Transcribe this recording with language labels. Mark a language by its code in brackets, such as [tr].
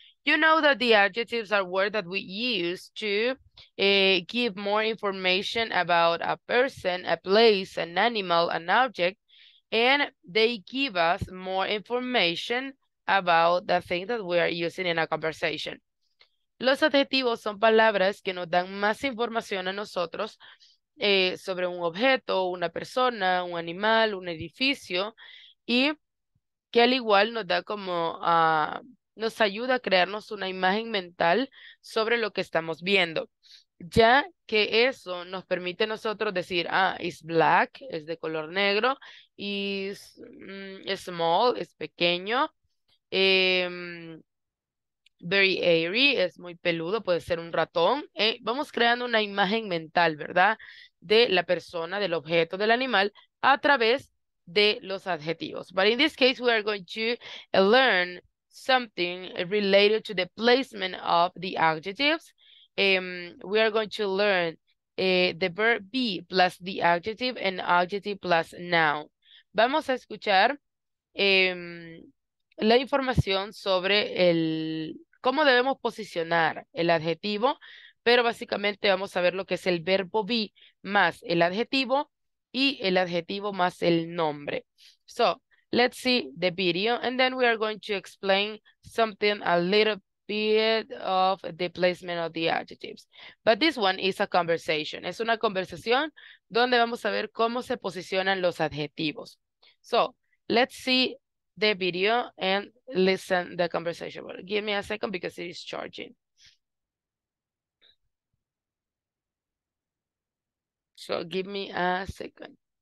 [en] You know that the adjectives are words that we use to give more information about a person, a place, an animal, an object. And they give us more information about the thing that we are using in a conversation. [es] Los adjetivos son palabras que nos dan más información a nosotros sobre un objeto, una persona, un animal, un edificio, y que al igual nos da como, nos ayuda a crearnos una imagen mental sobre lo que estamos viendo. Ya que eso nos permite a nosotros decir, ah, [en] it's black, [es] es de color negro, [en] is small, [es] es pequeño, [en] very airy, [es] es muy peludo, puede ser un ratón. Vamos creando una imagen mental, ¿verdad? De la persona, del objeto, del animal, a través de los adjetivos. [en] But in this case, we are going to learn something related to the placement of the adjectives. We are going to learn the verb be plus the adjective and adjective plus noun. [es] Vamos a escuchar la información sobre cómo debemos posicionar el adjetivo pero básicamente vamos a ver lo que es el verbo be más el adjetivo y el adjetivo más el nombre. [en] So, let's see the video and then we are going to explain something a little bit of the placement of the adjectives. But this one is a conversation. [es] Es una conversación donde vamos a ver cómo se posicionan los adjetivos. [en] So, let's see the video and listen the conversation. Well, give me a second because it is charging. So give me a second.